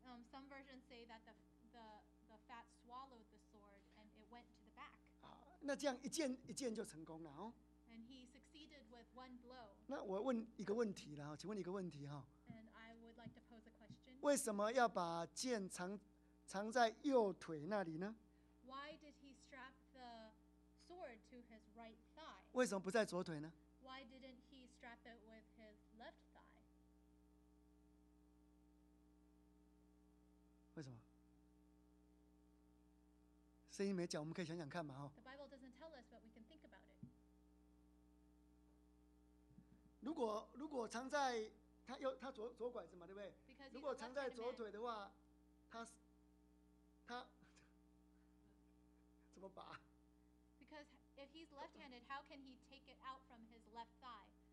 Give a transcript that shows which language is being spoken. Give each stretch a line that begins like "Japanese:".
English: Some versions say that the fat swallowed the sword and it went to the back.
Chinese: 那这样一剑就成功了哦。
English: And he succeeded with one blow.
Chinese: 那我问一个问题了哦，请问一个问题哦。
English: And I would like to pose a question.
Chinese: 为什么要把剑藏在右腿那里呢？
English: Why did he strap the sword to his right thigh?
Chinese: 为什么不在左腿呢？
English: Why didn't he strap it with his left thigh?
Chinese: 为什么？圣经没讲，我们可以想想看嘛，哦。
English: The Bible doesn't tell us, but we can think about it.
Chinese: 如果藏在他左拐子嘛，对不对？
English: Because he's a left man.
Chinese: 如果藏在左腿的话，他怎么拔？
English: If he's left-handed, how can he take it out from his left thigh?